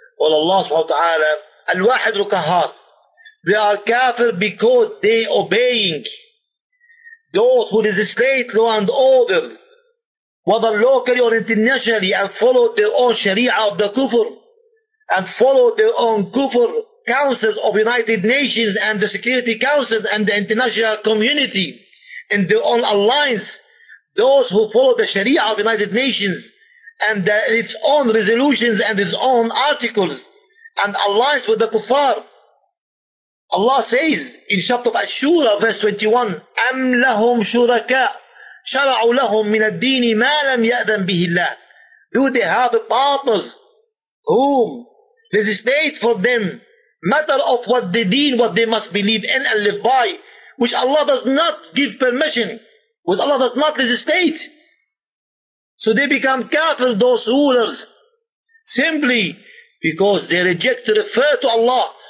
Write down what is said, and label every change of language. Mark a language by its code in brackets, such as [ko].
[en] Well, Allah subhanahu wa ta'ala, [ar] الْوَاحِدُ الْقَهَارِ. [en] They are kafir because they obeying those who legislate law and order, whether locally or internationally, and follow their own sharia of the kufr, and follow their own kufr councils of United Nations and the Security Councils and the international community in their own alliance. Those who follow the sharia of United Nations and its own resolutions and its own articles and alliance with the kuffar. Allah says in chapter of Ashura, verse 21, [ar] أَمْ لَهُمْ شُرَكَاءَ شَرَعُوا لَهُمْ مِنَ الدِّينِ مَا لَمْ يَأْذَنْ بِهِ اللَّهِ. [en] Do they have partners whom legislate for them matter of what the deen, what they must believe in and live by, which Allah does not give permission, which Allah does not legislate? So they become kafir, those rulers, simply because they reject to refer to Allah.